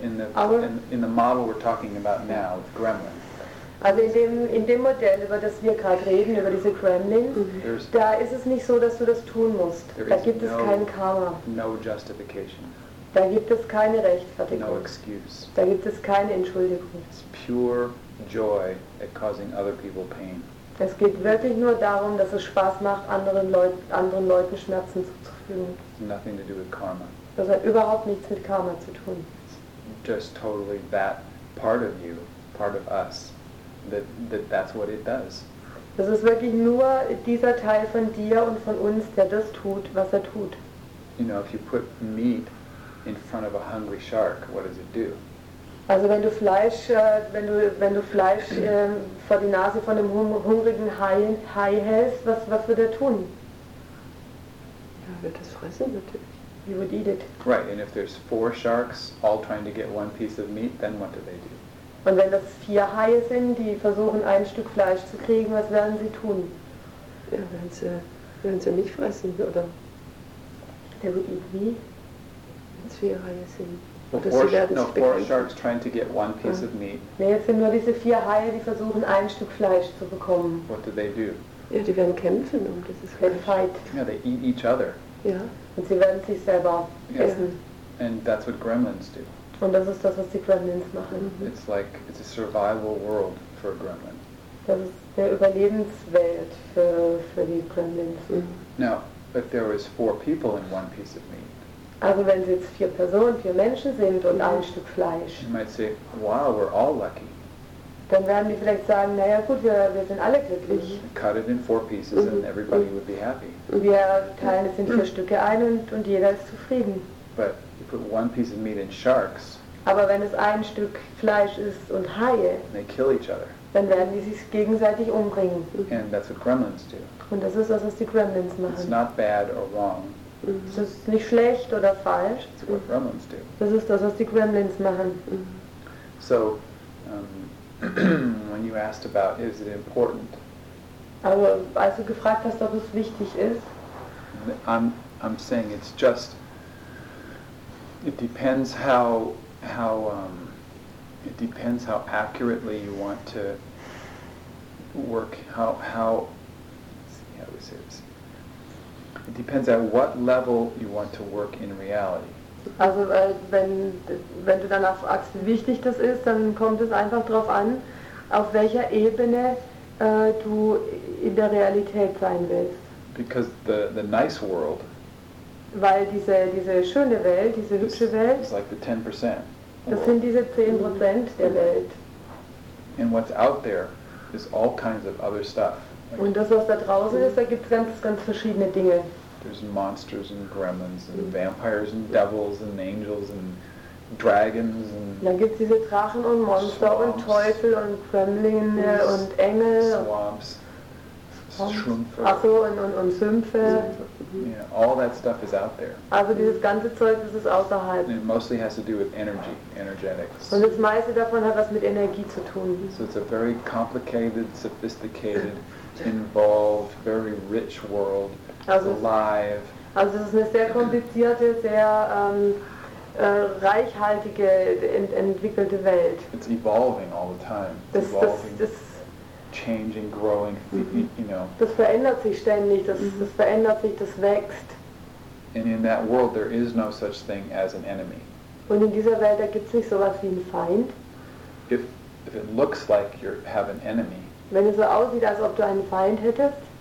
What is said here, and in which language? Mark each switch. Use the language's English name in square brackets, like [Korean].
[English] In the model we're talking about now, the gremlin. [German] Also in dem Modell, über das wir gerade reden, über diese Gremlins, da ist es nicht so, dass du das tun musst. Da gibt es kein Karma. [English] No justification. [German] Da gibt es keine Rechtfertigung. [English] No excuse. [German] Da gibt es keine Entschuldigung. [English] It's pure joy at causing other people pain. [German] Es geht wirklich nur darum, dass es Spaß macht, anderen Leuten Schmerzen zuzufügen. [English] Nothing to do with karma. [German] Das hat überhaupt nichts mit Karma zu tun. [English] Just totally that part of you, part of us. That's what it does. [German] Das ist wirklich nur dieser Teil von dir und von uns, der das tut, was er tut. [English] You know, if you put meat in front of a hungry shark, what does it do? [German] Also wenn du Fleisch, wenn du Fleisch vor die Nase von einem hungrigen Hai hältst, was würde er tun? Ja, wird das fressen natürlich. [English] He would eat it. Right, and if there's four sharks all trying to get one piece of meat, then what do they do? [German] Und wenn das vier Haie sind, die versuchen, ein Stück Fleisch zu kriegen, was werden sie tun? Ja, werden sie mich fressen, oder? [English] They will eat me. [German] Wenn es vier Haie sind. [English] Four sharks trying to get one piece of meat. [German] Nee, jetzt sind nur diese vier Haie, die versuchen, ein Stück Fleisch zu bekommen. [English] What do they do? [German] Ja, die werden kämpfen um dieses Fleisch. [English] They fight. Yeah, they eat each other. [German] Ja, und sie werden sich selber essen. [English] And that's what gremlins do. [German] Und das ist das, was die Gremlins machen. [English] It's like it's a survival world for a gremlin. [German] Das ist der Überlebenswelt für die Gremlins. [English] Now, if there was four people in one piece of meat. [German] Also wenn es jetzt vier Personen, vier Menschen sind und ein Stück Fleisch. [English] You might say, wow, we're all lucky. [German] Dann werden die vielleicht sagen, naja gut, wir sind alle glücklich. [English] Cut it in four pieces and everybody would be happy. [German] Wir teilen es in vier Stücke ein und jeder ist zufrieden. [English] But you put one piece of meat in sharks. [German] Aber wenn es ein Stück Fleisch ist und Haie, [English] they kill each other. [German] Dann werden die sich gegenseitig umbringen. [English] And that's what gremlins do. [German] Und das ist das, was die Gremlins machen. [English] It's not bad or wrong. [German] Es ist nicht schlecht oder falsch. [English] It's what gremlins do. [German] Das ist das, was die Gremlins machen. [English] So, when you asked about, is it important? [German] Aber als du gefragt hast, ob es wichtig ist. [English] I'm saying it's just. It depends how accurately you want to work, how we say this. It depends at what level you want to work in reality. [German] Also wenn du danach fragst, wie wichtig das ist, dann kommt es einfach darauf an, auf welcher Ebene du in der Realität sein willst. [English] Because the nice world. [German] Weil diese schöne Welt, diese hübsche Welt, [English] it's like the 10%. [German] Das sind diese 10% der Welt. [English] And what's out there is all kinds of other stuff. [German] Like, und das, was da draußen ist, da gibt es ganz, ganz verschiedene Dinge. [English] There's monsters and gremlins and vampires and devils and angels and dragons and. [German] Dann gibt es diese Drachen und Monster [English] swamps, [German] und Teufel und Gremlin und Engel. [English] Swamps. [German] Achso, und Sümpfe. [English] Yeah, all that stuff is out there. [German] Also dieses ganze Zeug, das ist außerhalb. [English] And it mostly has to do with energy, energetics. [German] Und das meiste davon hat was mit Energie zu tun. [English] So it's a very complicated, sophisticated, involved, very rich world, [German] also [English] alive. [German] Also es ist eine sehr komplizierte, sehr reichhaltige, entwickelte Welt. [English] It's evolving all the time. Changing, growing, you know. [German] Das verändert sich ständig, das verändert sich, das wächst. [English] And in that world there is no such thing as an enemy. [German] Und in dieser Welt, da gibt's nicht sowas wie einen Feind. [English] If it looks like you have an enemy. [German] Wenn es so aussieht, als ob du einen Feind hättest.